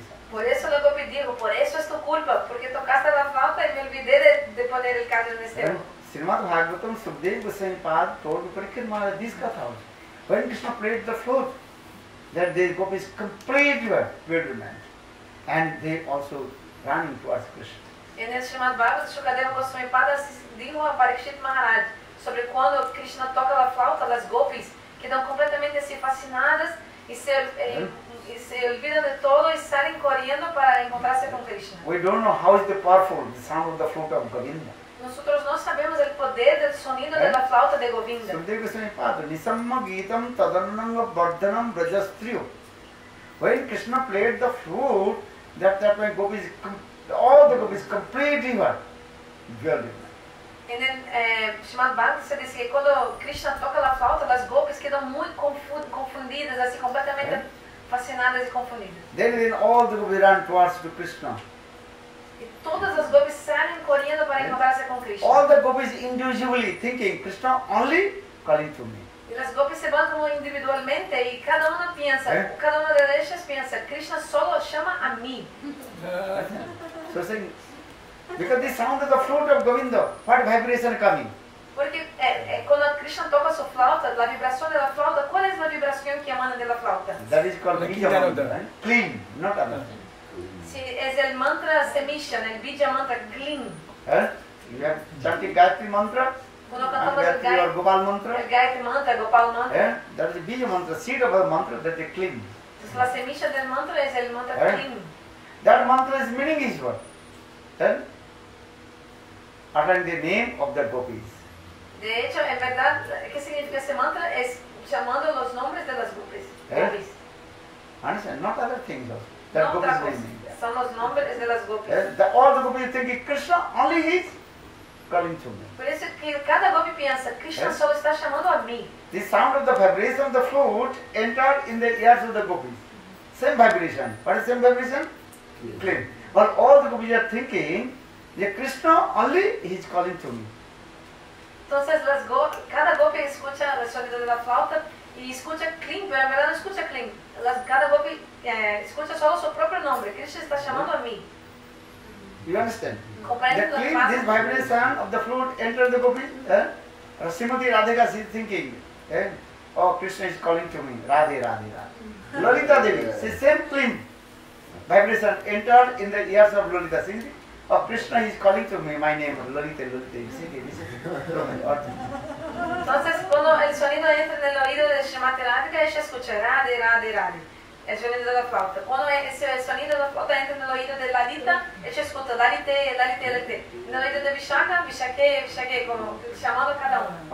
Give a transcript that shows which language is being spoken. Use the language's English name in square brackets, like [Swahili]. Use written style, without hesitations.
[Spanish] Por eso lo que digo, por eso es tu culpa, porque tocaste la flauta y me olvidé de poner el callo en este. [English] Srimad Bhagavatam Sukadeva Goswami Pad told Parikrama this katha. When Krishna played the flute, that the gopis completely bewilderment and they also running towards Krishna. [Spanish] En el Srimad Bhagavatam Sukadeva Goswami Pad dijo a Parikshit Maharaj sobre cuando Krishna toca la flauta, las gopis quedan completamente así fascinadas y se olvidan de todo y salen corriendo para encontrarse con Krishna. [English] We don't know how is the powerful the sound of the flute of Govinda. [Spanish] Nosotros no sabemos el poder del sonido de la flauta de Govinda. [Sanskrit] Sukadeva Goswami Pad, Nisamma Gitam Tadannanga Vardhanam Brajastriyo. [English] When Krishna played the flute, that my gopis, all the gopis completely were bewildered. [Spanish] En el Srimad Bhagavatam se dice que cuando Krishna toca la flauta, las gopis quedan muy confundidas, así completamente fascinadas y confundidas. [English] Then all the gopis run towards to Krishna. [Spanish] Y todas las gopis salen corriendo para encontrarse con Krishna. [English] All the gopis individually thinking, Krishna only calling to me. [Spanish] Y las gopis se van como individualmente y cada una piensa, cada una de ellas piensa, Krishna solo llama a mí. [English] So saying, because the sound of the flute of Govinda, what vibration coming? [Spanish] Porque cuando Krishna toca su flauta, la vibración de la flauta, ¿cuál es la vibración que emana de la flauta? [English] That is called Bija Mantra, right? Clean, not other. [Spanish] Si, es el mantra semilla, el Bija Mantra, clean. [English] You have chanting Gayatri Mantra, Gayatri or Gopal Mantra. [Spanish] El Gayatri Mantra, Gopal Mantra. [English] That is Bija Mantra, seed of a mantra that is clean. [Spanish] Entonces la semilla del mantra es el mantra clean. [English] That mantra is meaning is what? Then, uttering the name of the gopis. [Spanish] De hecho, en verdad, ¿qué significa ese mantra? Es llamando los nombres de las gopis. [English] Understand? Not other things. That no gopis [Spanish] son los nombres de las gopis. [English] All the gopis thinking Krishna only is calling to me. [Spanish] Por eso que cada gopi piensa, Krishna solo está llamando a mí. [English] The sound of the vibration of the flute entered in the ears of the gopis. Same vibration. What is same vibration? Clean. But all the gopis are thinking, yeah, Krishna only is calling to me. [Spanish] Entonces las cada gopi escucha el sonido de la flauta y escucha clean, pero en verdad no escucha clean. Cada gopi escucha solo su propio nombre. Krishna está llamando a mí. [English] You understand? [Spanish] Comprende [English] the clean, this vibration of the flute enter the gopi. Srimati Radhika is thinking, oh, Krishna is calling to me. Radhe, Radhe, Radhe. Lalita Devi, the same clean. Vibration entered in the ears of Lalita Singhi. Oh, Krishna is calling to me, my name, Lalita, Lalita Singhi. [Spanish] Entonces, cuando el sonido entra en el oído de Srimati Radhika, ella escucha Radhe, Radhe, Radhe. El sonido de la flauta. Cuando el sonido de la flauta entra en el oído de Lalita, ella escucha Lalite, Lalite, Lalite. En el oído de Vishaka, Vishake, Vishake, como llamando cada uno.